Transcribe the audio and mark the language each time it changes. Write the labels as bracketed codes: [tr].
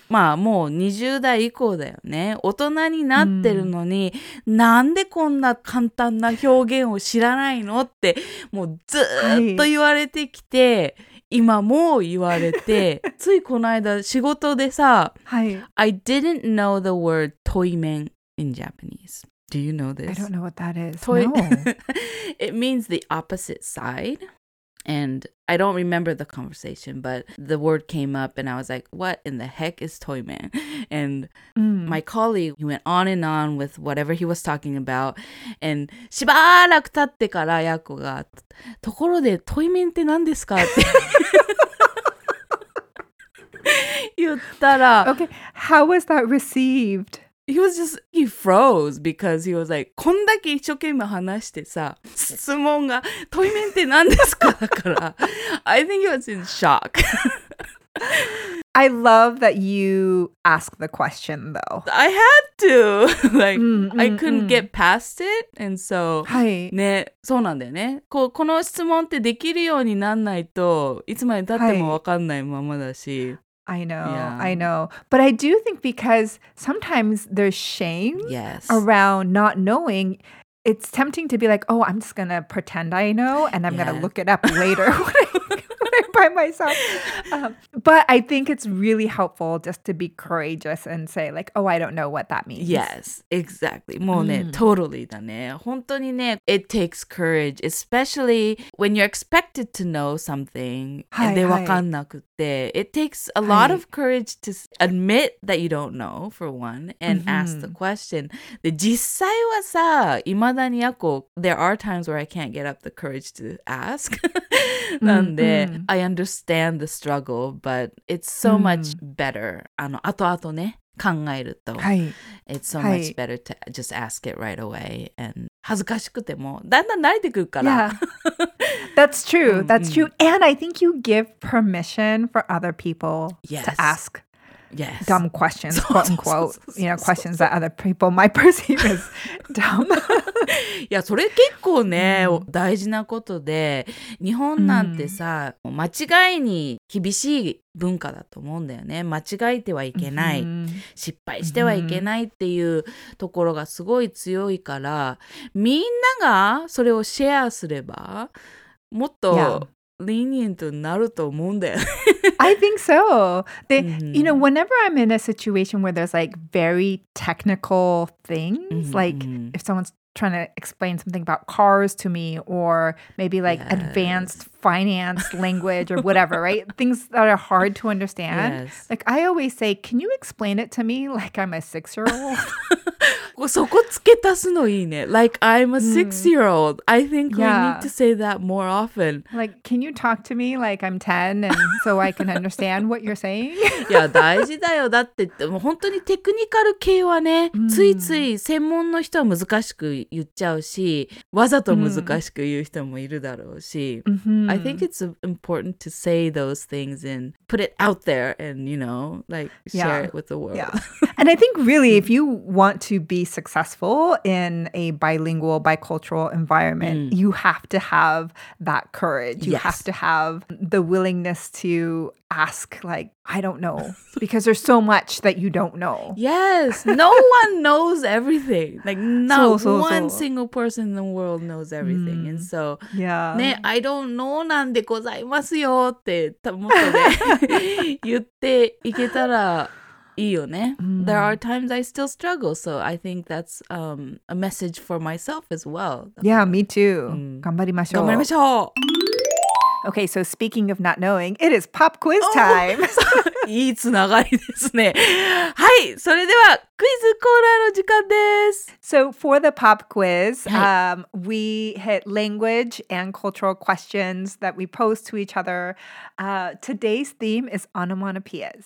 [ja] まあもう20代以降だよね。大人になってるのに、なんでこんな簡単な表現を知らないのってもうずっと言われてきて、今も言われて、ついこの間仕事でさ、はい、 [en] I didn't know the word toy man in Japanese. Do you know this? I don't know what that is. Toy- no. It means the opposite side. And I don't remember the conversation, but the word came up and I was like, what in the heck is toy man? And my colleague, he went on and on with whatever he was talking about. [ja] And しばらく経ってからヤコが、ところでトイメンって何ですかって言ったら。 [en] Okay, how was that received? He was just, he froze because he was like, [ja] こんだけ一生懸命話してさ、質問が、トイメンって何ですかだから。 [en] I think he was in shock. I love that you asked the question though. I had to. Like, I couldn't get past it. And so, [ja] はい。ね、そうなんだよね。こう、この質問ってできるようになんないと、いつまで経ってもわかんないままだし。 [en] I know, I know. But I do think because sometimes there's shame around not knowing, it's tempting to be like, oh, I'm just going to pretend I know and I'm going to look it up later when I'm by myself. But I think it's really helpful just to be courageous and say like, oh, I don't know what that means. Yes, exactly. [ja] もうね、 [en] totally だね。 [ja] 本当にね、 [en] it takes courage, especially when you're expected to know something and [ja] でわかんなくて。 [en] It takes a lot of courage to admit that you don't know, for one, and ask the question. [ja] で、実際はさ、いまだにやこ、 [en] there are times where I can't get up the courage to ask. [ja] なんで、 [en] I understand the struggle, but it's so much better. [ja] あの、後々ね、考えると。はい。 [en] It's so much better to just ask it right away. [ja] And 恥ずかしくても、だんだん慣れてくるから。 [en] That's true. That's true. And I think you give permission for other people to ask Yes. Dumb questions, quote unquote. You know, questions that other people might perceive as dumb. [ja] いや、それ結構ね、mm. 大事なことで、日本なんてさ、mm. 間違いに厳しい文化だと思うんだよね。間違えてはいけない、mm-hmm. 失敗してはいけないっていうところがすごい強いから、みんながそれをシェアすれば、もっと、yeah. Lenient になると思うんだよ。 [en] I think so. They, mm-hmm. You know, whenever I'm in a situation where there's like very technical things, mm-hmm. like if someone's trying to explain something about cars to me or maybe like yes. advanced finance language or whatever, right? Things that are hard to understand. Yes. Like I always say, can you explain it to me like I'm a six-year-old? [ja] そこつけ足すのいいね。 [en] Like I'm a six-year-old. Mm. I think yeah. we need to say that more often. Like, can you talk to me like I'm 10 and so I can understand what you're saying? [ja] いや、大事だよ。だって、もう本当にテクニカル系はね、mm. ついつい専門の人は難しく言っちゃうし、わざと難しく言う人もいるだろうし。 [en] Mm-hmm. I think it's important to say those things and put it out there and, you know, like share yeah. it with the world. Yeah. And I think really if you want to be successful in a bilingual, bicultural environment, mm. you have to have that courage. You yes. have to have the willingness to ask, like, I don't know, because there's so much that you don't know. Yes. No one knows everything. Like, not so, so, one so. Single person in the world knows everything. Mm. And so, yeah. ね、I don't know. [ja] そうなんでございますよってもっとね言っていけたらいいよね、mm. [en] There are times I still struggle, so I think that's、a message for myself as well. Yeah, me too.、Mm. [ja] 頑張りましょう。頑張りましょう。 [en] Okay, so speaking of not knowing, it is pop quiz time.、 [ja] Oh! いいつながりですね。はい、それではクイズコーナーの時間です。 [en] So for the pop quiz,、はい we hit language and cultural questions that we pose to each other.、today's theme is onomatopoeias.